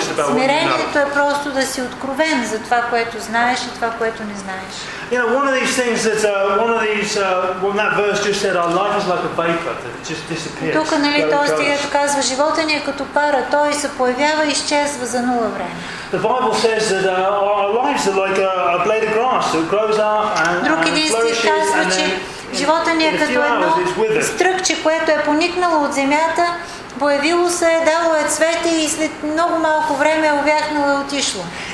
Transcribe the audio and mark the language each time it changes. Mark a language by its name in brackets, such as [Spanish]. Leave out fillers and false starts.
[Bulgarian] Смирението е просто да си откровен за това, което знаеш и това, което не знаеш. [English] You know, one of these things that that verse just said, our life is like a vapor that just disappears. [Bulgarian] Тук, нали, този стих казва, живота ни е като пара, той се появява и изчезва за нула време. [English] The Bible says that our lives are like a blade of grass that grows up and flourishes and then [Bulgarian] живота ни е като едно стръкче, което е поникнало от земята, появило се, дало е цвете и след много малко време е увяхнало и отишло.